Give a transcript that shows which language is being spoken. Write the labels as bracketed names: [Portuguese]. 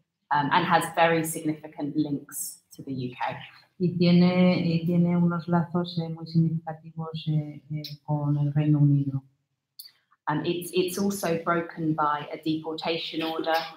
[English] And has very significant links to the UK. [Spanish] Y tiene unos lazos muy significativos con el Reino Unido. [English] And it's also broken by a deportation order.